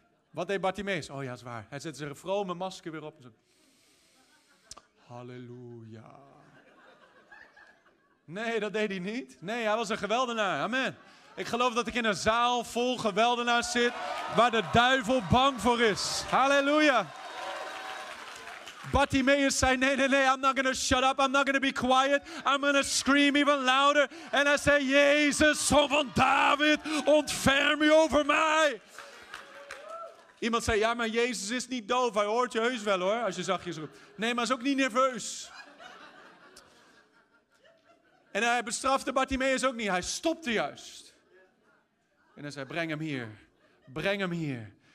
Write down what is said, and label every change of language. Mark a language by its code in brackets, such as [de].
[nl] Wat deed Bartimaeus? Oh ja, is waar. Hij zet zijn vrome masker weer op. En zo. Halleluja. Nee, dat deed hij niet. Nee, hij was een geweldenaar. Amen. Ik geloof dat ik in een zaal vol geweldenaars zit waar de duivel bang voor is. Halleluja. Bartimaeus zei, nee, [en] I'm not gonna shut up, I'm not gonna be quiet, I'm gonna scream even louder. [nl] En hij zei, Jezus, zoon van David, ontferm u over mij. Iemand zei, ja, maar Jezus is niet doof, hij hoort je heus wel hoor, als je zachtjes roept. Nee, maar hij is ook niet nerveus. En hij bestrafte Bartimaeus ook niet, hij stopte juist. En hij zei, breng hem hier.